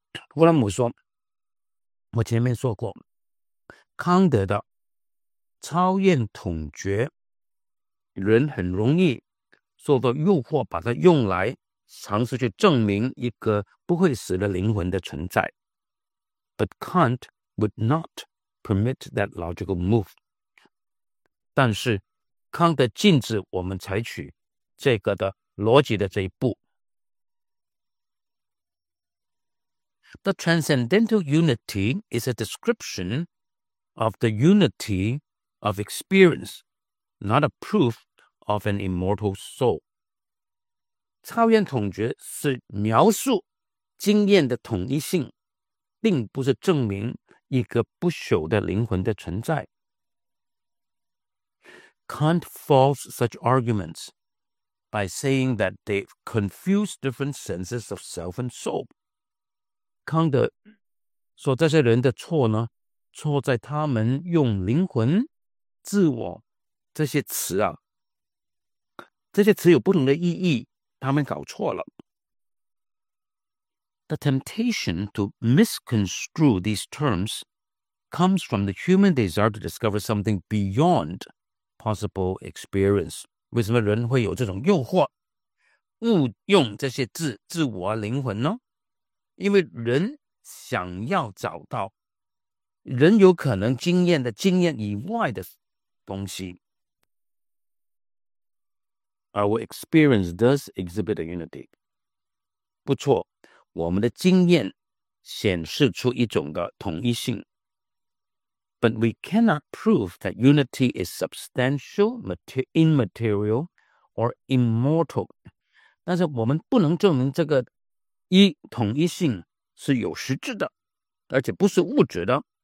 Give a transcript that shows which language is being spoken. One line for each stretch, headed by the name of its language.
Chinese: 弗兰姆说，我前面说过，康德的超验统觉，人很容易受到诱惑，把它用来尝试去证明一个不会死的灵魂的存在。
English: But Kant would not. Permit that logical move.
Chinese: 但是康德禁止我们采取这个的逻辑的这一步。
English: The transcendental unity is a description of the unity of experience, not a proof of an immortal soul.
Chinese: 超然同觉是描述经验的统一性, 并不是证明一个不朽的灵魂的存在。
English: Kant faults such arguments by saying that they confuse different senses of self and soul.
Chinese: 康德说这些人的错呢, 错在他们用灵魂、自我这些词啊, 这些词有不同的意义, 他们搞错了。
English: The temptation to misconstrue these terms comes from the human desire to discover something beyond possible experience.
Chinese: 为什么人会有这种诱惑, 误用这些字,自我灵魂呢? 因为人想要找到 人有可能经验的经验以外的东西。
English: Our experience does exhibit a unity.
Chinese: 不错, 我们的经验显示出一种的统一性。
English: But we cannot prove that unity is substantial, immaterial, or immortal.
Chinese: 但是我们不能证明这个统一性是有实质的,而且不是物质的。